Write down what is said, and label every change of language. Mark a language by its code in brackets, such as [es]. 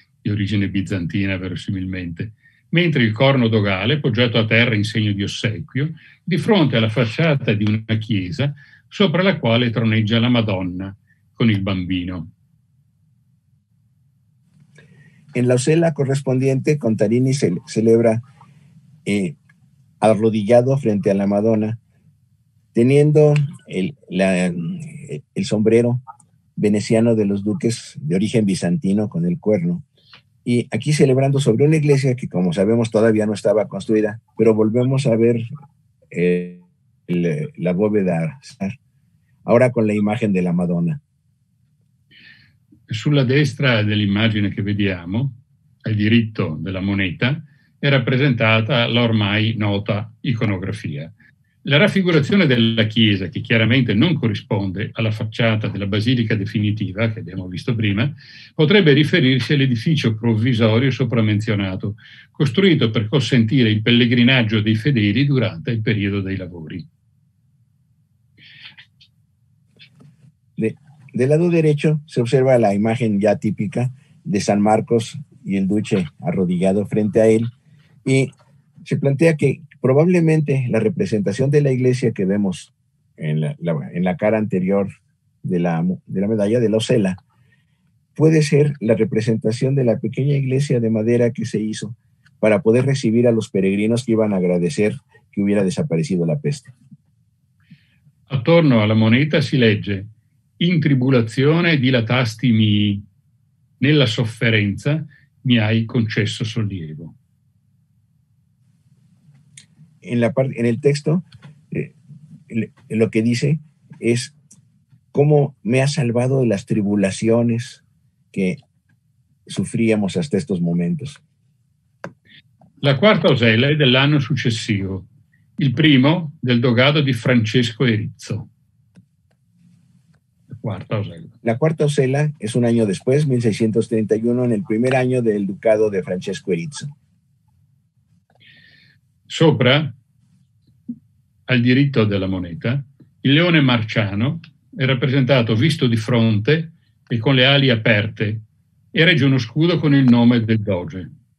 [it] di origine bizantina verosimilmente, mentre il corno dogale, poggiato a terra in segno di ossequio, di fronte alla facciata di una chiesa, sopra la quale troneggia la Madonna con il bambino. [es] En la osella [it] corrispondente, [es] Contarini celebra arrodillado frente a la Madonna, teniendo el sombrero veneciano de los duques de origen bizantino con el cuerno, y aquí celebrando sobre una iglesia que, como sabemos, todavía no estaba construida, pero volvemos a ver la bóveda ahora con la imagen de la Madonna. [it] Sulla destra dell'immagine che vediamo, al diritto della moneta, è rappresentata la ormai nota iconografia. La raffigurazione della chiesa, che chiaramente non corrisponde alla facciata della basilica definitiva che abbiamo visto prima, potrebbe riferirsi all'edificio provvisorio sopramenzionato, costruito per consentire il pellegrinaggio dei fedeli durante il periodo dei lavori. [es] Del lado derecho se observa la imagen ya típica de San Marcos y el duce arrodillado frente a él, y se plantea que probablemente la representación de la iglesia que vemos en la cara anterior de la medalla de la osela puede ser la representación de la pequeña iglesia de madera que se hizo para poder recibir a los peregrinos que iban a agradecer que hubiera desaparecido la peste. [it] Attorno alla moneta si legge: [la] in tribolazione dilatasti mii, [it] nella sofferenza mi hai concesso sollievo. [es] En el texto, lo que dice es cómo me ha salvado de las tribulaciones que sufríamos hasta estos momentos. [it] La quarta osella è dell'anno successivo, il primo del dogado di Francesco Erizzo. [es] La cuarta osella es un año después, 1631, en el primer año del ducado de Francesco Erizzo. [it] Sopra, al diritto della moneta, il leone marciano è rappresentato visto di fronte e con le ali aperte e regge uno scudo con il nome del doge.